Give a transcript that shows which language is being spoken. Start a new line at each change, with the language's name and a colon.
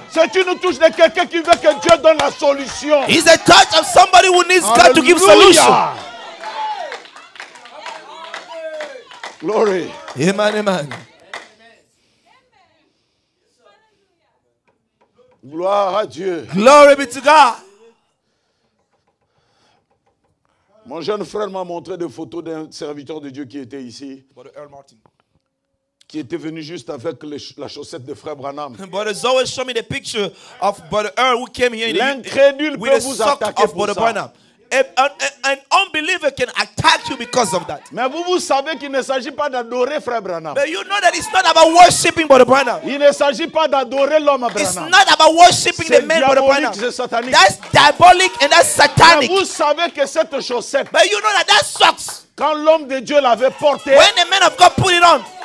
French: C'est une touche de quelqu'un qui veut que Dieu donne la solution.
English: It's a touch of somebody who needs God to give solution. Glory. Amen.
French: Gloire à Dieu.
English: Glory be to God.
French: Mon jeune frère m'a montré des photos d'un serviteur de Dieu qui était ici.
English: Brother Earl Martin.
French: Qui était venu juste avec la chaussette de frère Branham.
English: Brother Zoe showed me the picture of Brother Earl who came here.
French: L'incrédule peut vous attaquer pour ça. Branham.
English: An unbeliever can attack you because of that.
French: Mais vous savez qu'il ne s'agit pas d'adorer frère Branham.
English: But you know that it's not about worshiping Brother Branham.
French: Il ne s'agit pas d'adorer l'homme Branham.
English: It's not about worshiping
French: c'est
English: the man Brother Branham.
French: C'est satanique.
English: That's diabolic and that's satanic.
French: Mais vous savez que cette chaussette.
English: But you know that that socks.
French: Quand l'homme de Dieu l'avait porté.
English: When the man of God put it on.